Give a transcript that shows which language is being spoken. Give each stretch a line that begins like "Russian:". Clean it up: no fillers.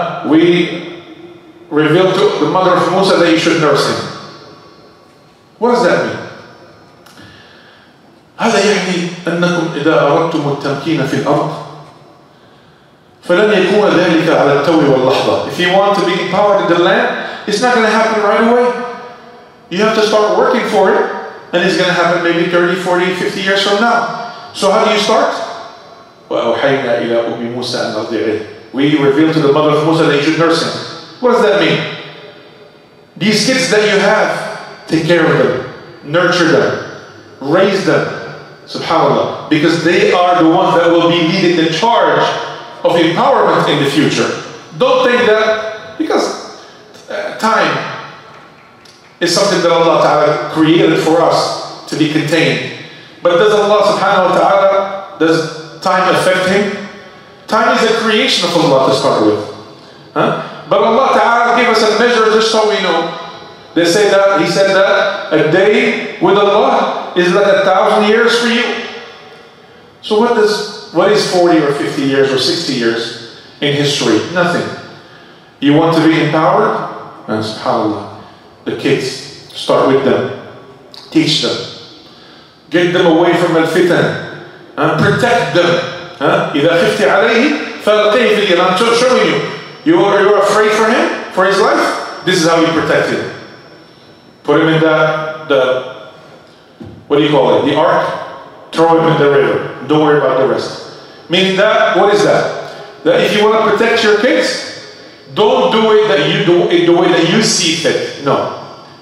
English: We revealed to the mother of Musa that you should nurse him. What does that mean?
Arabic: هذا يعني أنكم إذا أردتم التمكين في الأرض فلن يكون ذلك على التو واللحظة.
English: If you want to be empowered in the land, it's not going to happen right away. You have to start working for it, and it's going to happen maybe 30, 40, 50 years from now. So how do you start?
Arabic: وأوحينا إلى أم موسى أن أرضعيه.
English: We reveal to the mother of Musa that you should nurse him. What does that mean? These kids that you have, take care of them, nurture them, raise them, subhanAllah, because they are the ones that will be leading the charge of empowerment in the future. Don't think that, because time is something that Allah Ta'ala created for us to be contained. But does Allah subhanahu wa ta'ala, does time affect him? Time is a creation of Allah to start with. But Allah Ta'ala gave us a measure just so we know. They say that, he said that, a day with Allah is like 1,000 years for you. So what is 40 or 50 years or 60 years in history? Nothing. You want to be empowered? And subhanAllah, the kids, start with them. Teach them. Get them away from al-fitan. And protect them.
Arabic: إِذَا خِفْتِ عَلَيْهِ فَالْقِيْهِ فِي الْيَنَا.
English: I'm showing you. You're afraid for him, for his life? This is how you protect him. Put him in the what do you call it? The ark? Throw him in the river. Don't worry about the rest. Meaning that, what is that? That if you want to protect your kids, don't do it that you do it the way that you see fit. No.